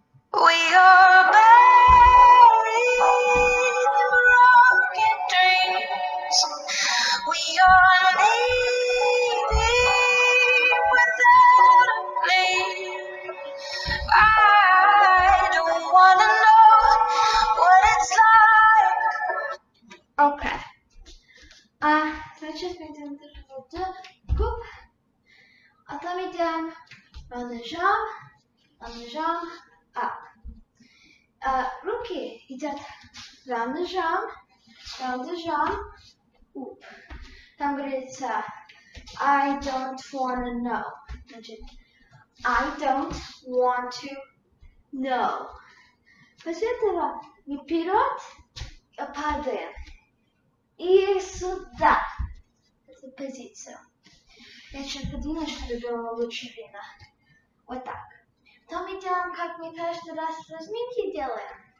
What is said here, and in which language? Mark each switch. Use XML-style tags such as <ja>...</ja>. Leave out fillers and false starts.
<en>We are buried in broken dreams. We are leaving without a name. I don't wanna know what it's like. Okay.</en> <ru>Значит, мы делаем другую губ. А то мы делаем подъем, подъем, up. Руки идут подъем, подъем, up. Там говорится</ru> <en>I don't wanna know.</en> <ru>Значит,</ru> <en>I don't want to know.</en> <ru>После этого мы вперед падаем. И сюда. Позицию. Я сейчас подвину, чтобы было лучше видно. Вот так. Потом мы делаем, как мы каждый раз разминки делаем.</ru>